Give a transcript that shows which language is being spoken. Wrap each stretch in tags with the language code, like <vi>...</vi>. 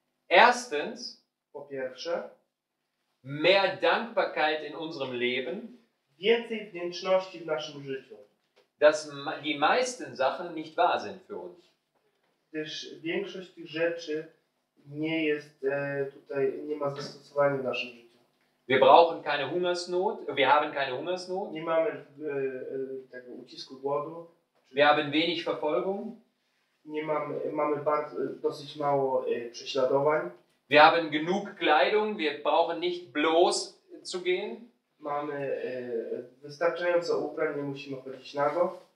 <de>Erstens,</de> <pl>po pierwsze,</pl> <de>mehr Dankbarkeit in unserem Leben,</de> <pl>więcej wdzięczności w naszym życiu,</pl> <de>dass die meisten Sachen nicht wahr sind für uns.</de> <pl>Gdyż większość tych rzeczy nie jest tutaj, nie ma zastosowania w naszym życiu.</pl> <de>Wir brauchen keine Hungersnot, wir haben keine Hungersnot.</de> <pl>Nie mamy tego ucisku głodu.</pl> <de>Wir haben wenig Verfolgung.</de> <pl>Nie mamy dosyć mało prześladowań.</pl> <de>Wir haben genug Kleidung, wir brauchen nicht bloß zu gehen.</de> <pl>Mamy wystarczająco ubrań, nie musimy chodzić nago.</pl>